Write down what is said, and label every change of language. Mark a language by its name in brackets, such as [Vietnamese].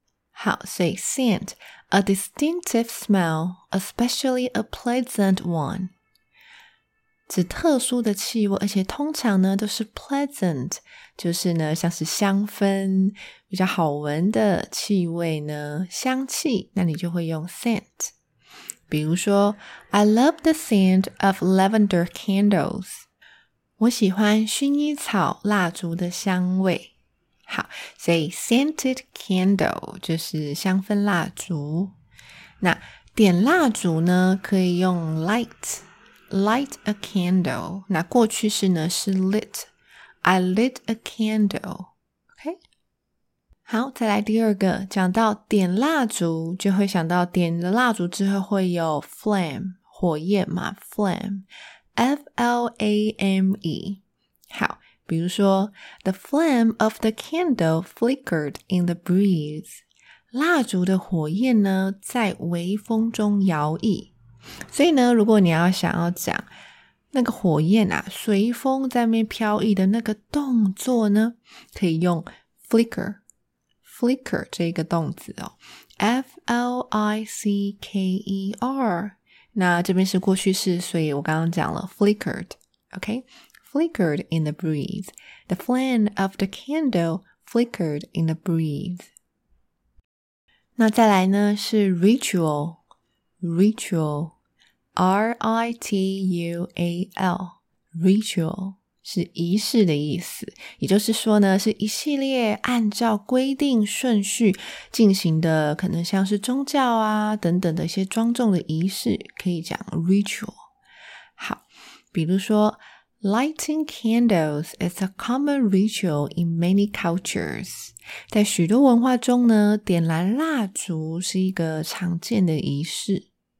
[Chinese] 好，所以 [English] scent a distinctive smell especially a pleasant one， [Chinese] 指特殊的气味，而且通常呢都是 pleasant， 就是呢像是香氛比较好闻的气味呢，香气，那你就会用 scent。比如说 [English] I love the scent of lavender candles， [Chinese] 我喜欢薰衣草蜡烛的香味。好，所以 scented candle 就是香氛蜡烛。那点蜡烛呢可以用 light， [English] light a candle， [Chinese] 那过去式呢是 lit， [English] I lit a candle。 [Chinese] 好，再来第二个，讲到点蜡烛就会想到点了蜡烛之后会有 flame， 火焰嘛， flame， F-L-A-M-E。 [English] 好，比如说 The flame of the candle flickered in the breeze， [Chinese] 蜡烛的火焰呢在微风中摇曳。所以呢如果你要想要讲那个火焰啊随风在面飘逸的那个动作呢，可以用 flickerflicker 这个动词哦， F-L-I-C-K-E-R，那这边是过去式，所以我刚刚讲了 flickered, OK? [English] Flickered in the breeze. The flame of the candle flickered in the breeze. [Chinese] 那再来呢是 [English] ritual, ritual, R-I-T-U-A-L, ritual. [Chinese] 是仪式的意思，也就是说呢，是一系列按照规定顺序进行的，可能像是宗教啊等等的一些庄重的仪式，可以讲 ritual。好，比如说 [English] Lighting candles is a common ritual in many cultures， [Chinese] 在许多文化中呢，点燃蜡烛是一个常见的仪式。